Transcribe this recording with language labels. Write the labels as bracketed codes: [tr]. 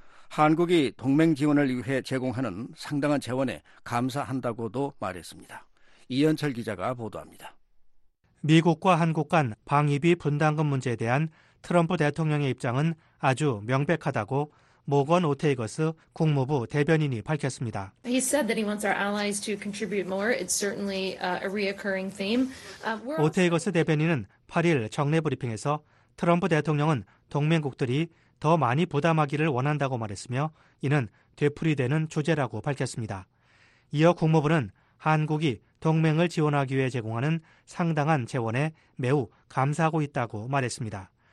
[ko] 한국이 동맹 지원을 위해 제공하는 상당한 재원에 감사한다고도 말했습니다. 이현철 기자가 보도합니다. 미국과 한국 간 방위비 분담금 문제에 대한 트럼프 대통령의 입장은 아주 명백하다고 모건 오테이거스 국무부 대변인이 밝혔습니다. [en] He said that he wants our allies to contribute more. It's certainly a reoccurring theme. [ko] 오테이거스 대변인은 8일 정례 브리핑에서 트럼프 대통령은 동맹국들이 더 많이 부담하기를 원한다고 말했으며 이는 되풀이되는 주제라고 밝혔습니다. 이어 국무부는 한국이 동맹을 지원하기 위해 제공하는 상당한 재원에 매우 감사하고 있다고 말했습니다.